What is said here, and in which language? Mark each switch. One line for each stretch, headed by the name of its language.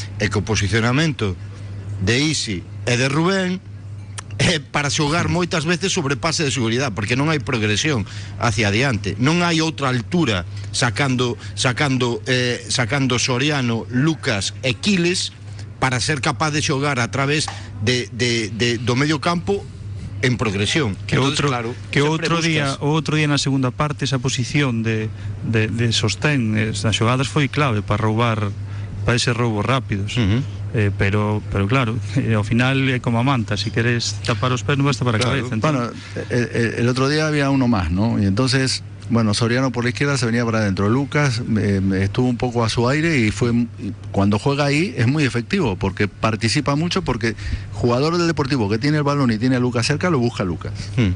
Galician: E que o posicionamento de Isi e de Rubén para xogar moitas veces sobre pase de seguridade, porque non hai progresión hacia adiante, non hai outra altura sacando Soriano, Lucas e Quiles para ser capaz de xogar a través de do medio campo en progresión. Que entonces, outro, claro, que outro buscas... día, outro día na segunda parte, esa posición de sostén nas xogadas foi clave para roubar, para ese roubo rápidos. Pero claro, ao final é como a manta, si queres tapar os pés non basta para a cabeza.
Spanish: Bueno, el otro día había uno más, ¿no? Y entonces, bueno, Soriano por la izquierda se venía para adentro. Lucas estuvo un poco a su aire y fue, cuando juega ahí es muy efectivo porque participa mucho, porque jugador del Deportivo que tiene el balón y tiene a Lucas cerca, lo busca Lucas.